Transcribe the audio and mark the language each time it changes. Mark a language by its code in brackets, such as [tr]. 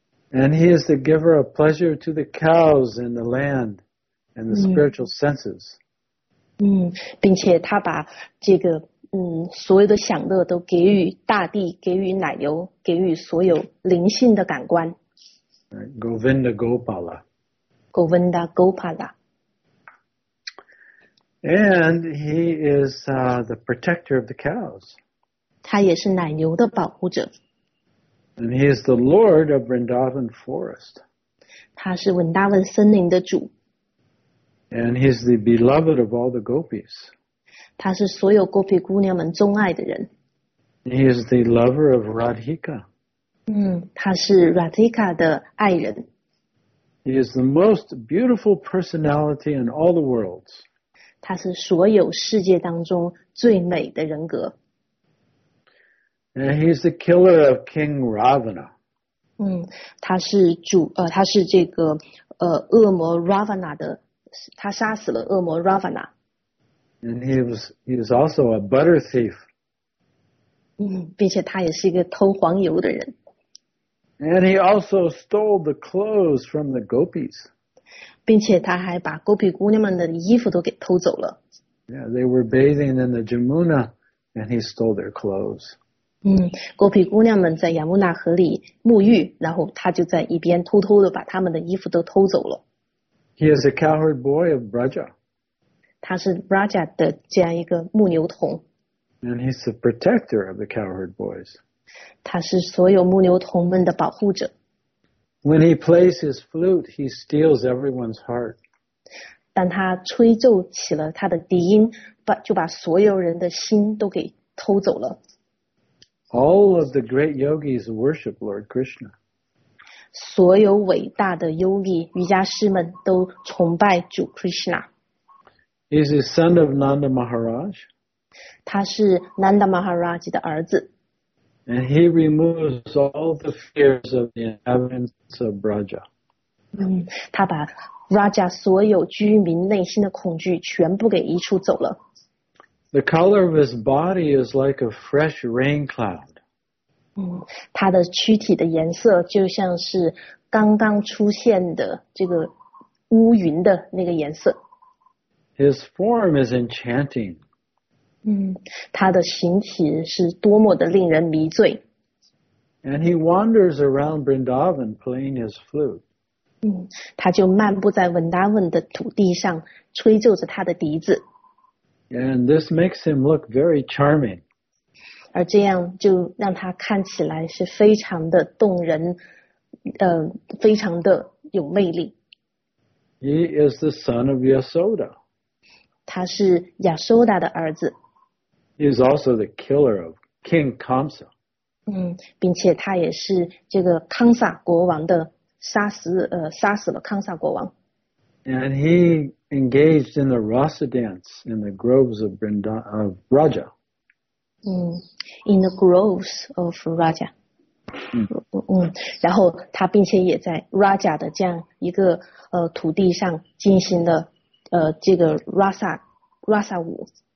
[en] And he is the giver of pleasure to the cows and the land and the spiritual senses. [zh] 并且他把这个所有的享乐都给予大地，给予奶牛，给予所有灵性的感官。 [sa] Govinda Gopala. Govinda Gopala. [en] And he is the protector of the cows. [zh] 他也是奶牛的保护者。 [en] And he is the Lord of Vrindavan Forest. [zh] 他是文达文森林的主。 [en] And he is the beloved of all the gopis. [zh] 他是所有 gopi 姑娘们钟爱的人。 [en] He is the lover of Radhika. [zh] 他是 Radhika 的爱人。 [en] He is the most beautiful personality in all the worlds. [zh] 他是所有世界当中最美的人格。 [en] And he's the killer of King Ravana. [zh] 他是恶魔 Ravana 的，他杀死了恶魔 Ravana. [en] And he is also a butter thief. [zh] 并且他也是一个偷黄油的人。 [en] And he also stole the clothes from the gopis. [zh] 并且他还把 gopi 姑娘们的衣服都给偷走了。 [en] Yeah, they were bathing in the Jamuna, and he stole their clothes. [zh] 狗皮姑娘们在亚穆纳河里沐浴，然后他就在一边偷偷的把他们的衣服都偷走了。 [en] He is a cowherd boy of Braja. [zh] 他是 Braja 的这样一个牧牛童。 [en] And he's the protector of the cowherd boys. [zh] 他是所有牧牛童们的保护者。 [en] When he plays his flute, he steals everyone's heart. [zh] 当他吹奏起了他的笛音，就把所有人的心都给偷走了。 [en] All of the great yogis worship Lord Krishna. [zh] 所有伟大的 yogi 瑜伽师们都崇拜主 Krishna. [en] He's the son of Nanda Maharaj. [zh] 他是 Nanda Maharaj 的儿子。 [en] And he removes all the fears of the inhabitants of Braja. [zh] 他把 Raja 所有居民内心的恐惧全部给移除走了。 [en] The color of his body is like a fresh rain cloud. [zh] 他的躯体的颜色就像是刚刚出现的这个乌云的那个颜色。 [en] His form is enchanting. [zh] 他的形体是多么的令人迷醉。 [en] And he wanders around Vrindavan playing his flute. [zh] 他就漫步在文达文的土地上，吹奏着他的笛子。 [en] And this makes him look very charming. [zh] 而这样就让他看起来是非常的动人，非常的有魅力。 [en] He is the son of Yasoda. [zh] 他是亚苏达的儿子。 [en] He is also the killer of King Kamsa. [zh] 并且他也是这个康萨国王的杀死了康萨国王。 [en] And he engaged in the rasa dance in the groves of Raja. In the groves of Raja. [zh] 然后他并且也在 Raja 的这样一个土地上进行了这个 rasa 舞。